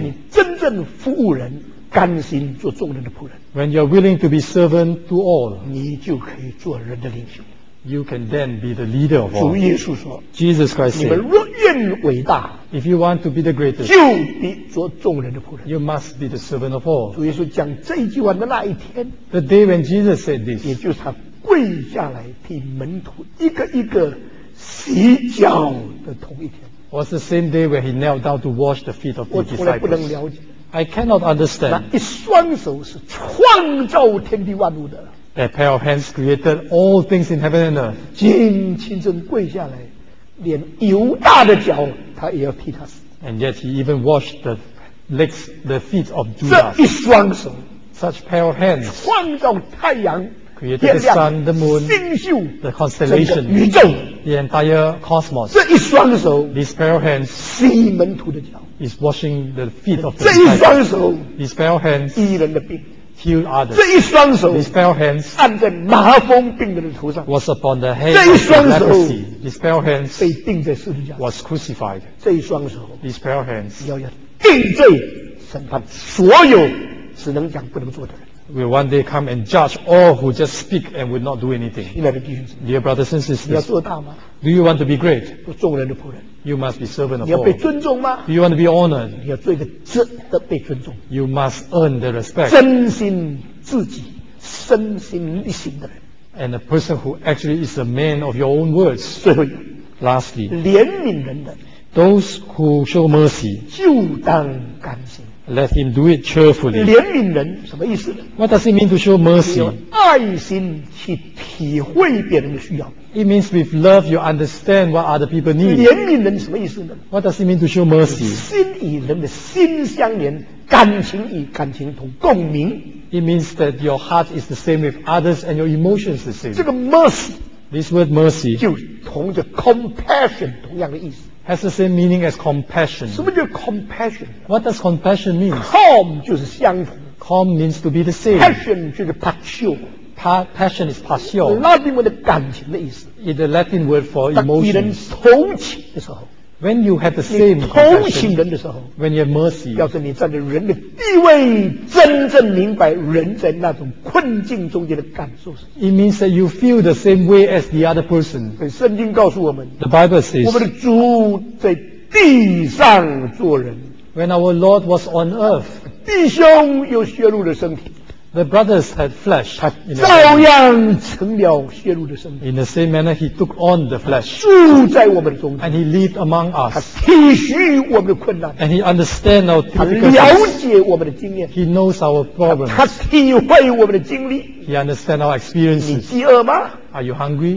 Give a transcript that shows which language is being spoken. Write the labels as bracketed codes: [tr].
[zh] 你真正服务人甘心做众人的仆人 [en] When you're willing to be servant to all [zh] 你就可以做人的领袖 [en] You can then be the leader of all [zh] 主耶稣说 [en] Jesus Christ said [zh] 你们若愿伟大 [en] If you want to be the greatest, [zh] 就必做众人的仆人。 [en] You must be the servant of all. [zh] 主耶稣讲这一句话的那一天 [en] ，The day when Jesus said this， [zh] 也就是他跪下来替门徒一个一个洗脚的同一天。 [en] Was the same day where he knelt down to wash the feet of the disciples. [zh] 我从来不能了解。 [en] I cannot understand. [zh] 那一双手是创造天地万物的。 [en] A pair of hands created all things in heaven and earth. [zh] 亲身跪下来，连犹大的脚他也要替他洗。 [en] And yet he even washed the legs, the feet of Judas. [zh] 这一双手 [en] ，such pair of hands, [zh] 创造太阳、 [en] created the sun, the moon, [zh] 星宿、 [en] the constellation, [zh] 宇宙、 [en] the entire cosmos. [zh] 这一双手 [en] ，this pair of hands, [zh] 洗门徒的脚 [en] ，is washing the feet of the disciples. [zh] 这一双手 [en] ，this pair of hands, [zh] 医人的病。 [en] Heal others. [zh] 这一双手 [en] ，these pale hands， [zh] 按在麻风病人的头上 [en] ，was upon the head。 [zh] 这一双手 [en] ，these pale hands， [zh] 被钉在十字架 [en] ，was crucified。 [zh] 这一双手 [en] ，these pale hands， [zh] 要定罪审判所有只能讲不能做的人。 [en] Will one day come and judge all who just speak and would not do anything？ [zh] 亲爱的弟兄姊妹 [en] ，Dear brothers and sisters， [zh] 你要做大吗 [en] ？Do you want to be great？ [zh] 做众人的仆人。 [en] You must be servant of all. [zh] 你要被尊重吗 [en] ？You want to be honored. [zh] 你要做一个值得被尊重。 [en] You must earn the respect. [zh] 真心自己，身心力行的人。 [en] And a person who actually is a man of your own words. [zh] 最后一个 [en] ，Lastly， [zh] 怜悯人的 [en] ，Those who show mercy， [zh] 就当甘心。 [en] Let him do it cheerfully. [zh] 怜悯人什么意思 [en] ？What does it mean to show mercy？ [zh] 爱心去体会别人的需要。 [en] It means with love you understand what other people need. [zh] 怜悯人什么意思呢 [en] ？What does it mean to show mercy？ [zh] 心与人的心相连，感情与感情同共鸣。 [en] It means that your heart is the same with others and your emotions the same. [zh] 这个 mercy， [en] this word mercy， [zh] 就同着 compassion 同样的意思。 [en] Has the same meaning as compassion. [zh] 什么叫 compassion？ [en] What does compassion mean？ [zh] Com 就是相同。 [en] Com means to be the same. [zh] Passion 就是 passion。 [en] Passion is passion. [zh] 拉丁文的感情的意思。 [en] In the Latin word for emotion. [zh] 当你同情的时候。 [en] When you have the same [zh] 你同情人的时候。 [en] When you have mercy. [zh] 要是你站在人的地位，真正明白人在那种困境中间的感受是。 [en] It means that you feel the same way as the other person. [zh] 圣经告诉我们。 [en] The Bible says. [zh] 我们的主在地上做人。 [en] When our Lord was on earth. [zh] 弟兄有血肉的身体。 [en] The brothers had flesh. [zh] 他照样成了血肉的身体。 [en] In the same manner, he took on the flesh. [zh] 住在我们的中间。 [en] And he lived among us. [zh] 他体恤我们的困难。 [en] And he understand our difficulties. [zh] 他了解我们的经验。 [en] He knows our problems. [zh] 他体会我们的经历。 [en] He understand our experiences. [zh] 你饥饿吗？ [en] Are you hungry?